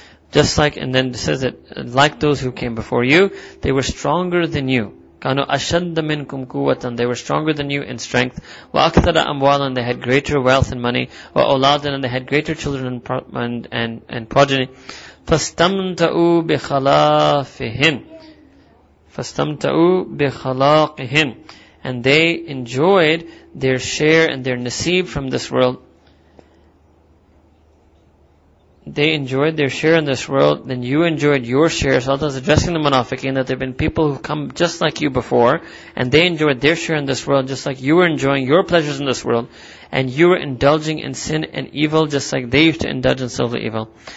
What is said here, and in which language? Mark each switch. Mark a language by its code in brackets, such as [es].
[en] Just like, and then it says that, like those who came before you, they were stronger than you. [ar] كانوا أشد منكم قوة, [en] they were stronger than you in strength. [ar] وأكثر أموالا, [en] and they had greater wealth and money. [ar] وأولادا, [en] and they had greater children and progeny. [ar] فاستمتعوا بخلافهم. فَاسْتَمْتَعُوا بِخَلَاقِهِمْ, [en] and they enjoyed their share and their nasib from this world. They enjoyed their share in this world, then you enjoyed your share. So Allah is addressing the munafiqeen, that there have been people who come just like you before, and they enjoyed their share in this world, just like you were enjoying your pleasures in this world, and you were indulging in sin and evil, just like they used to indulge in civil evil.